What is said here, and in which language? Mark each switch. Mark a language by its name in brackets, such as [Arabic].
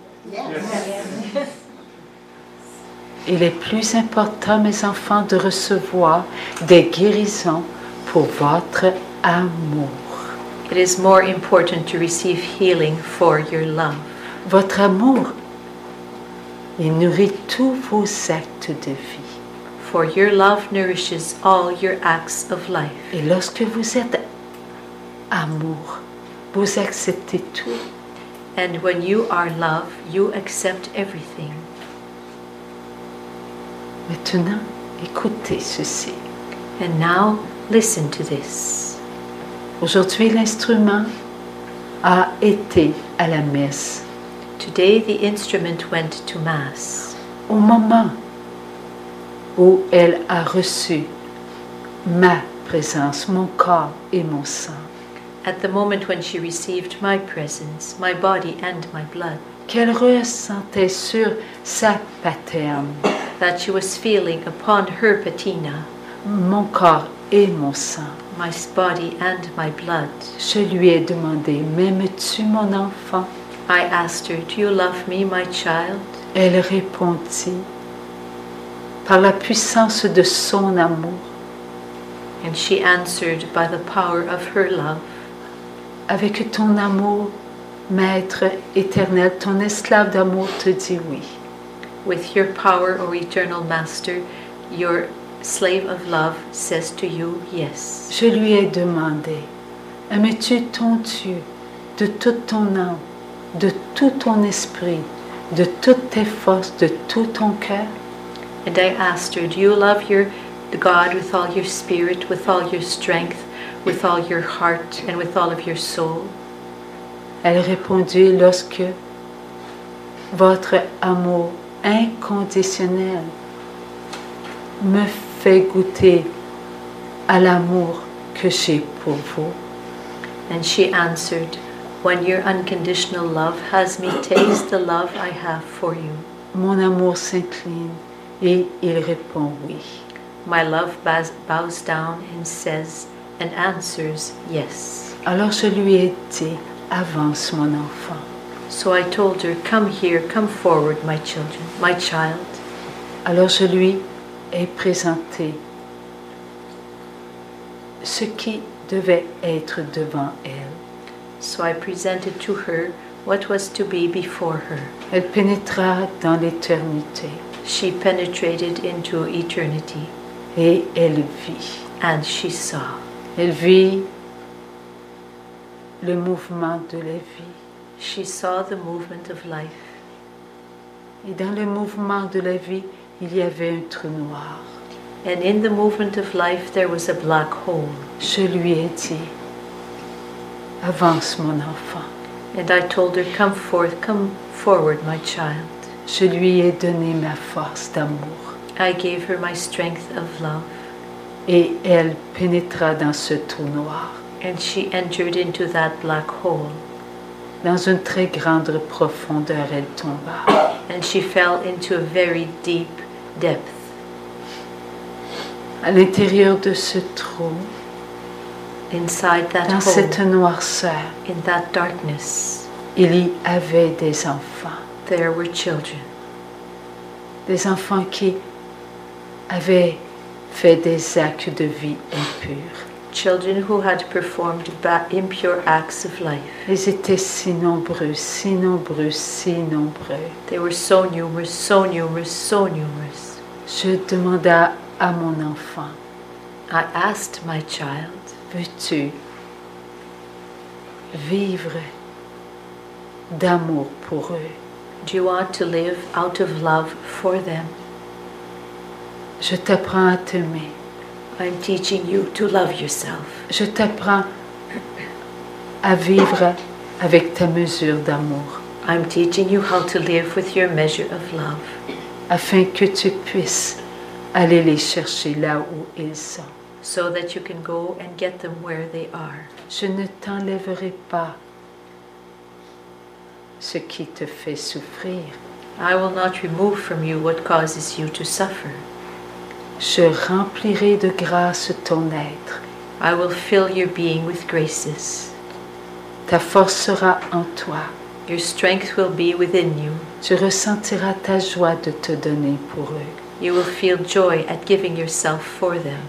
[English] Yes. [French] Il est plus important, mes enfants, de recevoir des guérisons pour votre amour. [English] It is more important to receive healing for your love. [French] Votre amour, il nourrit tous vos actes de vie. [English] For your love nourishes all your acts of life. [French] Et lorsque vous êtes amour, vous acceptez tout. [English] And when you are love, you accept everything. [French] Maintenant, écoutez ceci. [English] And now, listen to this. [French] Aujourd'hui, l'instrument a été à la messe. [English] Today, the instrument went to mass. [French] Au moment où elle a reçu ma présence, mon corps et mon sang. [English] At the moment when she received my presence, my body and my blood. [French] Qu'elle ressentait sur sa paterne. [English] That she was feeling upon her patina. [French] Mon corps et mon sang. [English] My body and my blood. [French] Je lui ai demandé, m'aimes-tu mon enfant? [English] I asked her, do you love me, my child? [French] Elle répondit, par la puissance de son amour. [English] And she answered by the power of her love. [French] Avec ton amour, maître éternel, ton esclave d'amour te dit oui. [English] With your power, O eternal master, your slave of love says to you yes. [French] Je lui ai demandé, aimes-tu ton Dieu de toute ton âme, de tout ton esprit, de toutes tes forces, de tout ton cœur? [English] And I asked her, do you love your God with all your spirit, with all your strength, with all your heart and with all of your soul? [French] Elle répondit, lorsque votre amour inconditionnel me fait goûter à l'amour que j'ai pour vous. [English] And she answered, when your unconditional love has me taste the love I have for you. [French] Mon amour s'incline et il répond oui. [English] My love bows down and says and answers yes. [French] Alors je lui ai dit, avance mon enfant. [English] So I told her, come here, come forward, my children, my child. [French] Alors je lui ai présenté ce qui devait être devant elle. [English] So I presented to her what was to be before her. [French] Elle pénétra dans l'éternité. [English] She penetrated into eternity. [French] Et elle vit. [English] And she saw. [French] Elle vit le mouvement de la vie. [English] She saw the movement of life. [French] Et dans le mouvement de la vie, il y avait un trou noir. [English] And in the movement of life, there was a black hole. [French] Je lui ai dit, avance mon enfant. [English] And I told her, come forth, come forward, my child. [French] Je lui ai donné ma force d'amour. [English] I gave her my strength of love. [French] Et elle pénétra dans ce trou noir. [English] And she entered into that black hole. [French] Dans une très grande profondeur, elle tomba. [English] And she fell into a very deep depth. [French] À l'intérieur de ce trou, [English] inside that [French] dans [English] hole, [French] cette noirceur, [English] in that darkness, [French] il y avait des enfants. [English] There were children. [French] Des enfants qui avaient fait des actes de vie impurs. [English] Children who had performed impure acts of life. [French] Ils étaient si nombreux, si nombreux, si nombreux. [English] They were so numerous, so numerous, so numerous. [French] Je demanda à mon enfant. [English] I asked my child. [French] Veux-tu vivre d'amour pour eux? [English] Do you want to live out of love for them? [French] Je t'apprends à t'aimer. [English] I'm teaching you to love yourself. [French] Je t'apprends à vivre avec ta mesure d'amour. [English] I'm teaching you how to live with your measure of love. [French] Afin que tu puisses aller les chercher là où ils sont. [English] So that you can go and get them where they are. [French] Je ne t'enlèverai pas ce qui te fait souffrir. [English] I will not remove from you what causes you to suffer. [French] Je remplirai de grâce ton être. [English] I will fill your being with graces. [French] Ta force sera en toi. [English] Your strength will be within you. [French] Tu ressentiras ta joie de te donner pour eux. [English] You will feel joy at giving yourself for them.